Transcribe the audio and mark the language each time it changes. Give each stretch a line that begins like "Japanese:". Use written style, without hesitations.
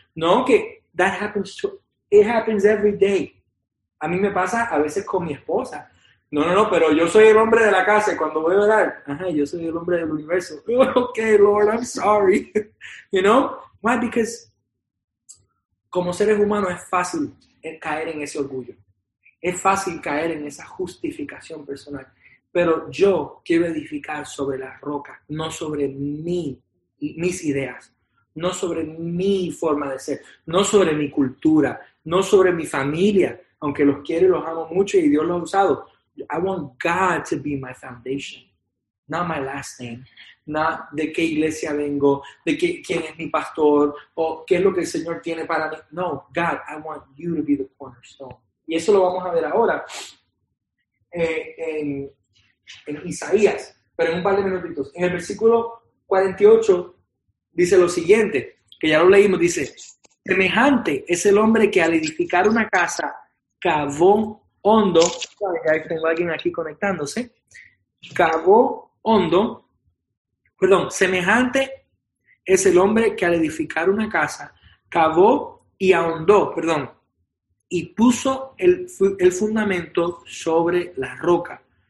English: No, que that happens to, it happens every day.
Spanish: A mí me pasa a veces con mi esposa. No, pero yo soy el hombre de la casa y cuando voy a orar, ajá, yo soy el hombre del universo.
English: Okay, Lord, I'm sorry. You know? Why?
Spanish: Because como seres humanos es fácil caer en ese orgullo. Es fácil caer en esa justificación personal. Pero yo quiero edificar sobre la roca, no sobre mis ideas, no sobre mi forma de ser, no sobre mi cultura, no sobre mi familia, aunque los quiero y los amo mucho y Dios los ha usado. I want God to be my foundation, not my last name, not de qué iglesia vengo, de qué, quién es mi pastor, o qué es lo que el Señor tiene para mí.
English: No, God, I want you to be the cornerstone.
Spanish: Y eso lo vamos a ver ahora en Isaías, pero en un par de minutitos. En el versículo 48 dice lo siguiente, que ya lo leímos, dice, semejante es el hombre que al edificar una casa cavó hondo, ya tengo alguien aquí conectándose, cavó hondo, perdón, semejante es el hombre que al edificar una casa, cavó y ahondó, perdón, y puso el fundamento sobre la roca.